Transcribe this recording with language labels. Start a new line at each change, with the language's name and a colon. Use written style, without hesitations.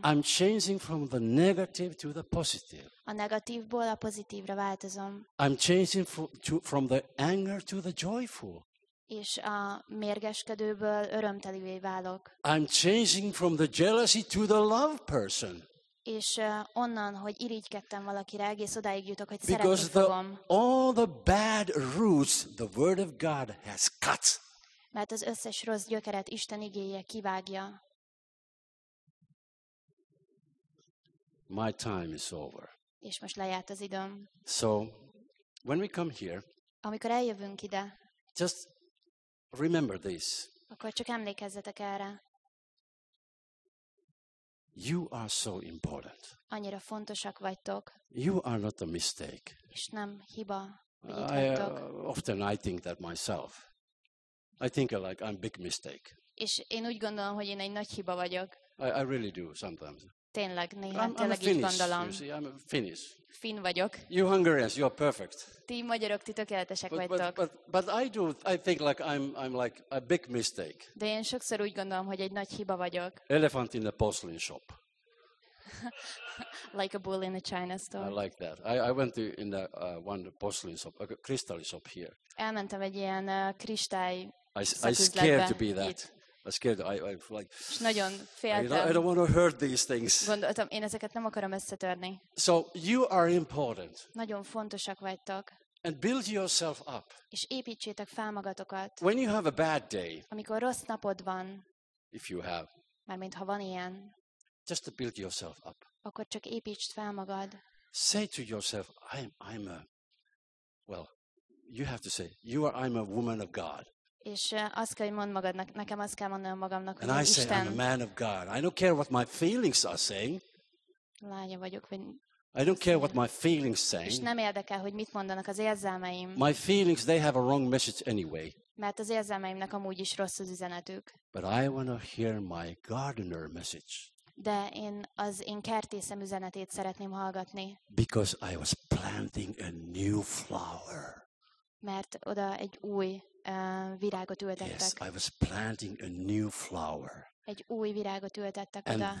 English: I'm changing from the negative to the positive.
Hungarian: A negatívból a pozitívra változom.
English: I'm changing from the anger to the joyful.
Hungarian: És a mérgeskedőből örömtelivé válok.
English: I'm changing from the jealousy to the love person.
Hungarian: És onnan, hogy irigykedtem valakire, egész odáig jutok, hogy
English: because
Hungarian: szeretni fogom.
English: Because all the bad roots the word of God has cut.
Hungarian: Mert az összes rossz gyökeret Isten igéje kivágja.
English: My time is over.
Hungarian: És most lejárt az időm.
English: So, when we come here,
Hungarian: amikor eljövünk ide,
English: just remember this.
Hungarian: Akkor csak emlékezzetek erre.
English: You are so important.
Hungarian: Annyira fontosak vagytok.
English: You are not a mistake.
Hungarian: És nem hiba, hogy itt vagytok.
English: Often I think that myself. I think like I'm a big mistake.
Hungarian: És én úgy gondolom, hogy én egy nagy hiba vagyok.
English: I really do sometimes.
Hungarian: Tényleg, néha tényleg így gondolom.
English: I'm a Finnish.
Hungarian: Finn vagyok.
English: You Hungarians, you are perfect.
Hungarian: Ti magyarok, ti tökéletesek vagytok.
English: But I think like I'm like a big mistake.
Hungarian: De én sokszor úgy gondolom, hogy egy nagy hiba vagyok.
English: Elephant in the porcelain shop. Like a bull in a china store. I like that. I went to in the one porcelain shop, a crystal shop here.
Hungarian: Elmentem egy ilyen kristály.
English: I scared to be that. I'm scared. I like.
Hungarian: Nagyon féltem.
English: I don't want to hurt these things.
Hungarian: Gondoltam, én ezeket nem akarom összetörni.
English: So you are important.
Hungarian: Nagyon fontosak vagytok.
English: And build yourself up.
Hungarian: És építsétek fel magatokat.
English: When you have a bad day.
Hungarian: Amikor rossz napod van.
English: If you have.
Hungarian: Mármint ha van ilyen.
English: Just to build yourself up.
Hungarian: Akkor csak építsd fel magad.
English: Say to yourself, I'm a. Well, you have to say, I'm a woman of God.
Hungarian: És azt kell, hogy mondd magadnak, nekem azt kell mondanom magamnak, hogy
English: and I say, I'm a man of God. I don't care what my feelings are saying.
Hungarian: Lánya vagyok, vagy
English: I don't care what my feelings saying.
Hungarian: És nem érdekel, hogy mit mondanak az érzelmeim.
English: My feelings, they have a wrong message anyway.
Hungarian: Mert az érzelmeimnek amúgy is rossz az üzenetük.
English: But I want to hear my gardener message.
Hungarian: De én az én kertészem üzenetét szeretném hallgatni.
English: Because I was planting a new flower.
Hungarian: Mert oda egy új virágot ültettek.
English: Yes, I was planting a new flower.
Hungarian: Egy új virágot ültettek
English: and
Hungarian: oda.